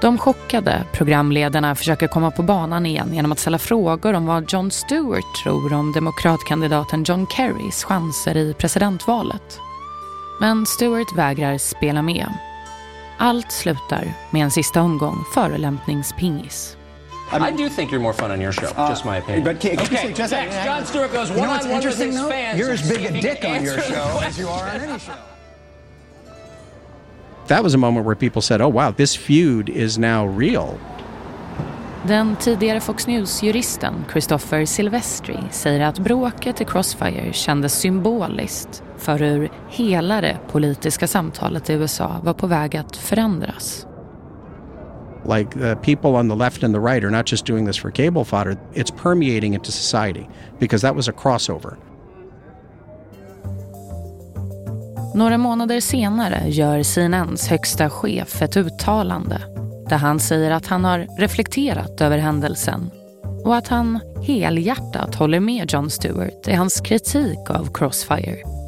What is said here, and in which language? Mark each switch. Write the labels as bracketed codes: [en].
[sv] De chockade programledarna försöker komma på banan igen genom att ställa frågor om vad Jon Stewart tror om demokratkandidaten John Kerrys chanser i presidentvalet. Men Stewart vägrar spela med. Allt slutar med en sista omgång förelämpningspingis. [en] I mean, I do think you're more fun on your show, just my opinion. But can, okay, just next, I, John Stewart goes one-on-one with his fans. You're as big a dick on your show as you are on any show. That was a moment where people said, oh wow, this feud is now real. [sv] Den tidigare Fox News-juristen Christopher Silvestri säger att bråket i Crossfire kändes symboliskt för hur hela det politiska samtalet i USA var på väg att förändras. [en] Like the people on the left and the right are not just doing this for cable fodder, it's permeating into society because that was a crossover. [sv] Några månader senare gör CNNs högsta chef ett uttalande där han säger att han har reflekterat över händelsen och att han helhjärtat håller med Jon Stewart i hans kritik av Crossfire.